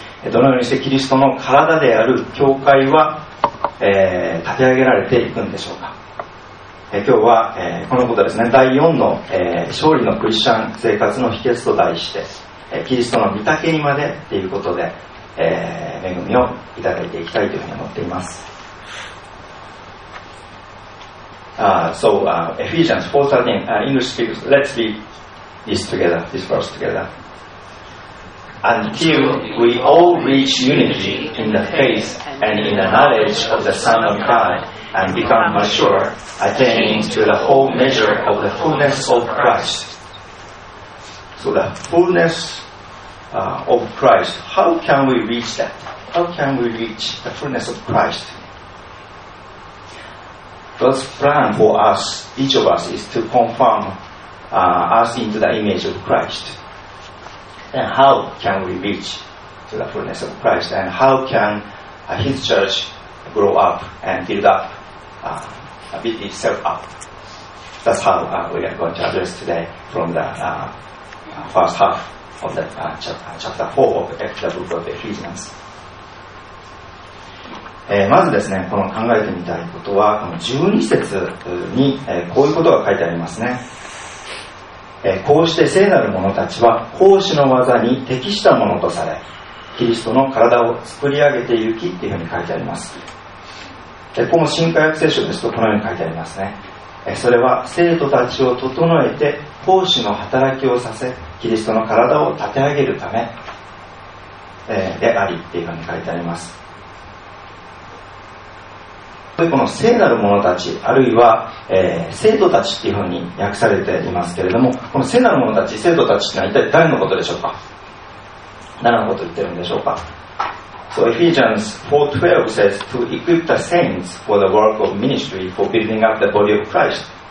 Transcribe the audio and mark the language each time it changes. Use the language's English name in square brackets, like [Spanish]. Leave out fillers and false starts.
[Japanese] どのようにしてキリストの体である教会は、立て上げられていくんでしょうか。今日は、このことですね。第4の、勝利のクリスチャン生活の秘訣と題してキリストの御丈にまでということで、恵みをいただいていきたいというふうに思っています。 [English] Ephesians 4:13 English speakers, let's read this together, this verse together. Until we all reach unity in the faith and in the knowledge of the Son of God and become mature, attaining to the whole measure of the fullness of Christ. So the fullness of Christ, how can we reach that? How can we reach the fullness of Christ? God's plan for us, each of us, is to conform us into the image of Christ. And how can we reach to the fullness of Christ? And how can His church grow up and build up, build itself up? That's how we are going to address today from the first half of the chapter 4 of the book of Ephesians. [Japanese] まずですね、この考えてみたいことはこの12節に、こういうことが書いてありますね。こうして聖なる者たちは奉仕の技に適したものとされ、キリストの体を作り上げてゆきっていうふうに書いてあります。この新改訳聖書ですとこのように書いてありますね。それは生徒たちを整えて奉仕の働きをさせ、キリストの体を立て上げるため、でありっていうふうに書いてあります。この聖なる者たち、あるいは、生徒たちというふうに訳されていますけれども、この聖なる者たち、生徒たちというのは一体誰のことでしょうか。誰のことを言っているんでしょうか。 [English] So Ephesians 4:12 says to equip the saints for the work of ministry for building up the body of Christ.